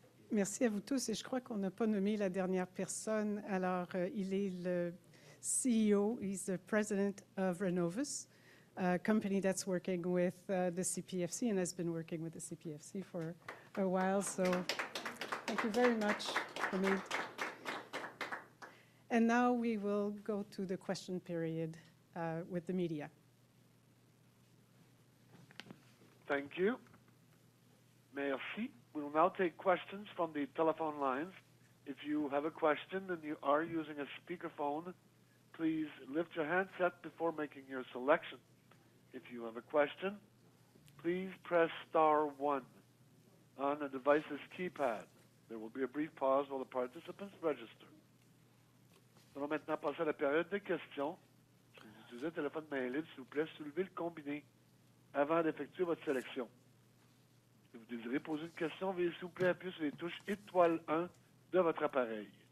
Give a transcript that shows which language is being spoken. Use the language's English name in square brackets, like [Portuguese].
[French] Merci à vous tous, et je crois qu'on n'a pas nommé la dernière personne. Alors, il est le CEO, [English] he's the president of RANOVUS, a company that's working with the CPFC and has been working with the CPFC for a while. So thank you very much, Hamid. And now we will go to the question period with the media. Thank you. [French] Merci. [English] We will now take questions from the telephone lines. If you have a question and you are using a speakerphone, please lift your handset before making your selection. If you have a question, please press star 1 on the device's keypad. There will be a brief pause while the participants register. [French] Nous allons maintenant passer à la période de questions. Si vous utilisez un téléphone main libre, s'il vous plaît, soulevez le combiné avant d'effectuer votre sélection. Si vous désirez poser une question, veuillez s'il vous plaît appuyer sur les touches étoile 1 de votre appareil.